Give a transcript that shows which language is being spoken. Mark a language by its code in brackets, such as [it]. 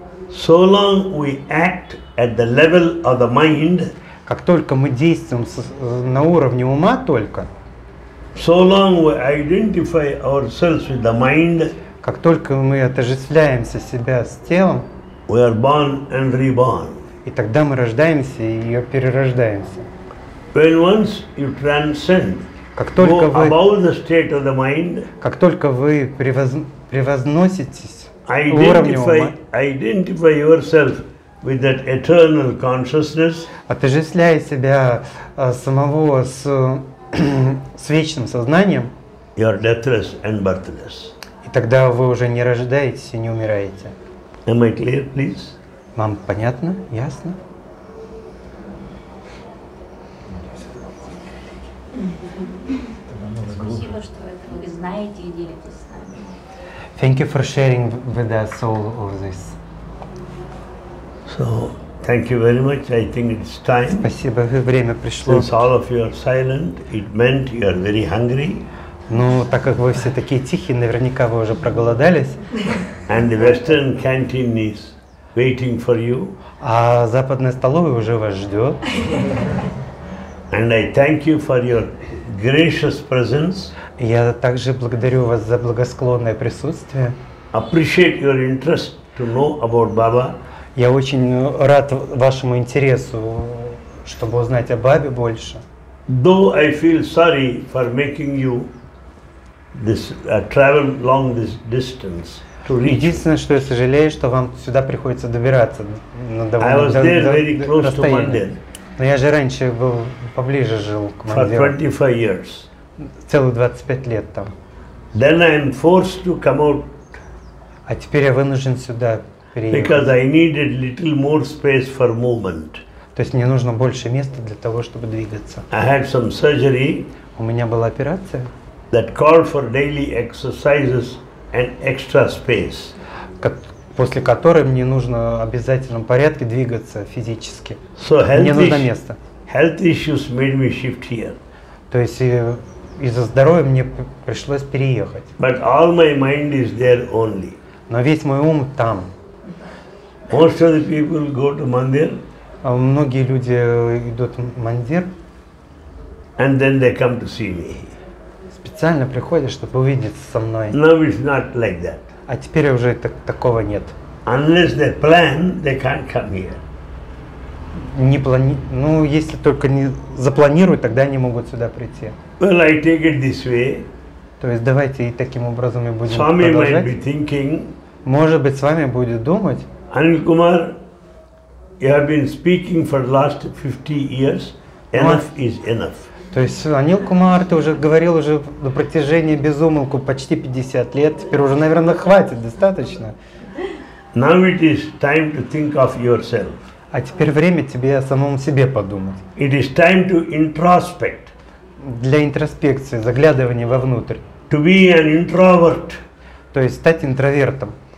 [en] So long we act at the level of the mind, [ru] как только мы действуем на уровне ума только, [en] so long we identify ourselves with the mind, [ru] как только мы отождествляемся себя с телом, [en] we are born and reborn. [ru] И тогда мы рождаемся и ее перерождаемся. [en] When once you transcend, [ru] как только вы, [en] above the state of the mind, [ru] как только вы превозноситесь в уровне ума, [en] identify yourself with that eternal consciousness, [ru] отождествляя себя самого с вечным сознанием, [en] you are deathless and birthless. [ru] И тогда вы уже не рождаетесь и не умираете. [en] Am I clear, please? [ru] Вам понятно? Ясно? Спасибо, что вы знаете и делитесь с нами. [en] Thank you for sharing with us all of this. So, thank you very much. I think it's time. [ru] Спасибо, время пришло. [en] Since all of you are silent, it meant you are very hungry. [ru] Ну, так как вы все такие тихие, наверняка вы уже проголодались. [en] And the Western canteen is waiting for you. [ru] А западная столовая уже вас ждет. [en] And I thank you for your gracious presence. [ru] Я также благодарю вас за благосклонное присутствие. [en] Appreciate your interest to know about Baba. [ru] Я очень рад вашему интересу, чтобы узнать о Бабе больше. [en] Though I feel sorry for making you this travel long this distance to reach. [ru] Единственное, что я сожалею, что вам сюда приходится добираться на довольно. Но я же раньше был поближе жил к Мандиру. [en] For 25 years. [ru] Целых 25 лет там. [en] Then I am forced to come out. [ru] А теперь я вынужден сюда приехать. [en] Because I needed little more space for movement. [ru] То есть мне нужно больше места для того, чтобы двигаться. [en] I had some surgery. [ru] У меня была операция. [en] That called for daily exercises and extra space. [ru] После которой мне нужно в обязательном порядке двигаться физически. [en] So [ru] мне нужно место. [en] Health issues made me shift here. [ru] То есть из-за здоровья мне пришлось переехать. [en] But all my mind is there only. [ru] Но весь мой ум там. [en] Most of the people go to Mandir. [ru] Многие люди идут в Мандир. [en] And then they come to see me. [ru] Специально приходят, чтобы увидеться со мной. [en] Now it's not like that. [ru] А теперь уже такого нет. [en] Unless they plan, they can't come here. [ru] Не ну, если только не запланируют, тогда они могут сюда прийти. [en] Well, I take it this way. [ru] То есть давайте и таким образом и будем [en] Swami [ru] продолжать. [en] Swami might be thinking. [ru] Может быть, с вами будет думать. [en] Anil Kumar, you have been speaking for the last 50 years. Enough is enough. [ru] То есть, Анил Кумар, ты уже говорил уже на протяжении безумолку почти 50 лет. Теперь уже, наверное, хватит, достаточно. [en] Now it is time to think of yourself. [ru] А теперь время тебе о самом себе подумать. [en] It is time to introspect. [ru] Для интроспекции, заглядывания вовнутрь. [en] To be an introvert. [ru] То есть, стать интровертом.